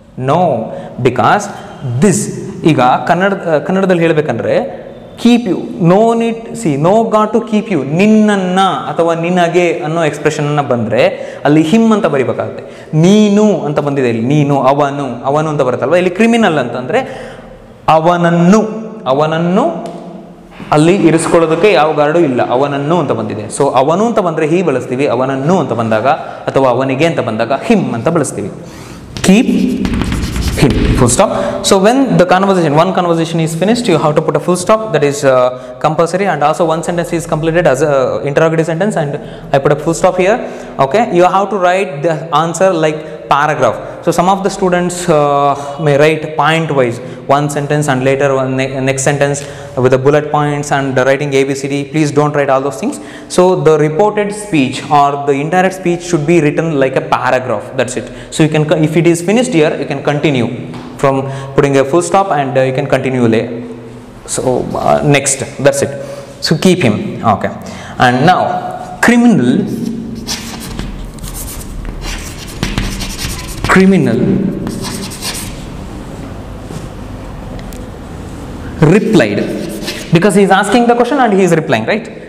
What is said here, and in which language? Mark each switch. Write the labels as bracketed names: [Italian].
[Kannada] No, because this iga kannadadalli helbekandre [English] keep you, no need, see, no God to keep you, [Kannada] ninnanna athava ninage anno expression anna bandre alli him anta baribekagutte, neenu anta bandide illi, neenu, avanu, avanu anta baruttalva illi, criminal antandre avananu, avananu ಅಲ್ಲಿ ಇರಿಸ್ಕೊಳ್ಳೋದಕ್ಕೆ ಯಾವ guard ಇಲ್ಲ, ಅವನನ್ನು ಅಂತ ಬಂದಿದೆ. So ಅವನು ಅಂತ ಬಂದರೆ ಹೀ ಬಳಸ್ತೀವಿ, ಅವನನ್ನು ಅಂತ ಬಂದಾಗ ಅಥವಾ ಅವನಿಗೆ ಅಂತ ಬಂದಾಗ ಹಿಮ್ ಅಂತ ಬಳಸ್ತೀವಿ. [English] Keep him full stop. So when the conversation, one conversation is finished, you have to put a full stop. That is compulsory. And also one sentence is completed as interrogative sentence and I put a full stop here. Okay, you have to write the answer like paragraph. So some of the students may write point wise one sentence and later one next sentence with the bullet points and writing A B C D. Please don't write all those things. So the reported speech or the indirect speech should be written like a paragraph. That's it. So you can, if it is finished here, you can continue from putting a full stop and you can continue lay. So next, that's it. So keep him. Okay, and now criminal, criminal replied, because he is asking the question and he is replying, right?